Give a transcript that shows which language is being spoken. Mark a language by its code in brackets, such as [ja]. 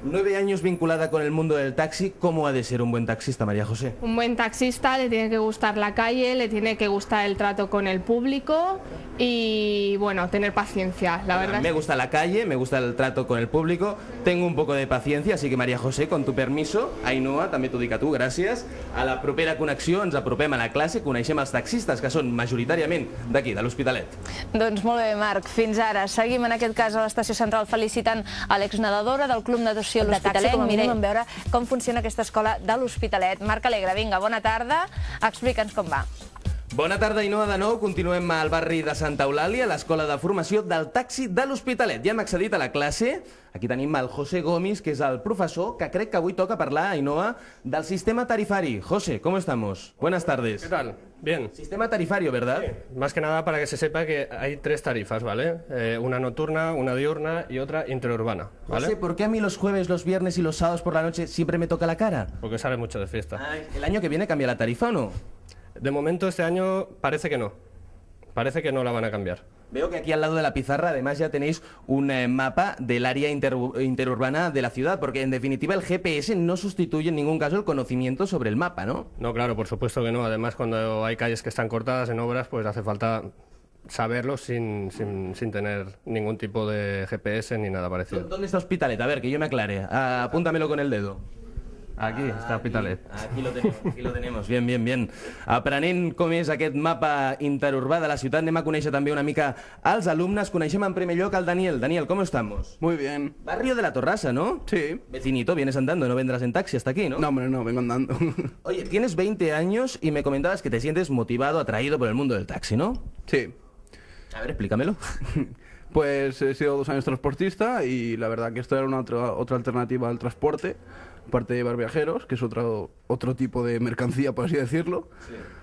[es] 9 años vinculada con el mundo del taxi, ¿cómo ha de ser un buen taxista, María José? Un buen taxista le tiene que gustar la calle, le tiene que gustar el trato con el público y, bueno, tener paciencia, la verdad. Me gusta la calle, me gusta el trato con el público, tengo un poco de paciencia, así que María José, con tu permiso, Ainhoa, [ca] també t'ho dic a tu, gràcies. A la propera connexió ens apropem a la classe, coneixem els taxistes, que són majoritàriament d'aquí, de l'Hospitalet. Doncs molt bé, Marc, fins ara. Seguim en aquest cas a l'estació central felicitant a l'exnadadora del Club Natació de l'Hospitalet. Mireu, vam veure com funciona aquesta escola de l'Hospitalet. Marc Alegre, vinga, bona tarda, explica'ns com va. Bona tarda, Ainhoa, de nou. Continuem al barri de Santa Eulàlia, a l'escola de formació del taxi de l'Hospitalet. Ja hem accedit a la classe. Aquí tenim el José Gómez, que és el professor, que crec que avui toca parlar, Ainhoa, del sistema tarifari. [es] José, ¿cómo estamos? Buenas tardes. ¿Qué tal? Bien. Sistema tarifario, ¿verdad? Sí. Más que nada para que se sepa que hay 3 tarifas, ¿vale? Una nocturna, una diurna y otra interurbana, ¿vale? José, ¿por qué a mí los jueves, los viernes y los sábados por la noche siempre me toca la cara? Porque sale mucho de fiesta. Ay, ¿el año que viene cambia la tarifa o no? De momento, este año parece que no. Parece que no la van a cambiar. Veo que aquí al lado de la pizarra, además, ya tenéis un mapa del área interurbana de la ciudad, porque en definitiva el GPS no sustituye en ningún caso el conocimiento sobre el mapa, ¿no? No, claro, por supuesto que no. Además, cuando hay calles que están cortadas en obras, pues hace falta saberlo sin tener ningún tipo de GPS ni nada parecido. ¿Dónde está Hospitalet? A ver, que yo me aclare. Apúntamelo con el dedo. [ca] Aquí està Hospitalet. [es] Aquí lo tenemos. Bien, bien, bien. [ca] Aprenent com és aquest mapa interurbà de la ciutat, anem a conèixer també una mica els alumnes. Coneixem en primer lloc el Daniel. [es] Daniel, ¿cómo estamos? Muy bien. Barrio de la Torrassa, ¿no? Sí. Vecinito, vienes andando, no vendrás en taxi hasta aquí, ¿no? No, hombre, no, vengo andando. Oye, tienes 20 años y me comentabas que te sientes motivado, atraído por el mundo del taxi, ¿no? Sí. A ver, explícamelo. Pues he sido 2 años transportista y la verdad que esto era una otra alternativa al transporte, aparte de llevar viajeros, que es otro tipo de mercancía, por así decirlo. Sí.